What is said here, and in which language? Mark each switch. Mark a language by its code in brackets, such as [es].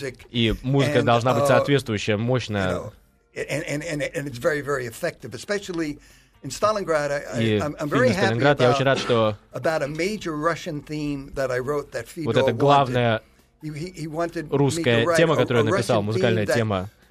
[ru] И музыка должна быть соответствующая, мощная. [en] And it's very, very effective, especially in Stalingrad. I'm very happy about a major Russian theme that I wrote that Fedor wanted. [ru] Вот это главная русская тема, которую я написал, музыкальная тема.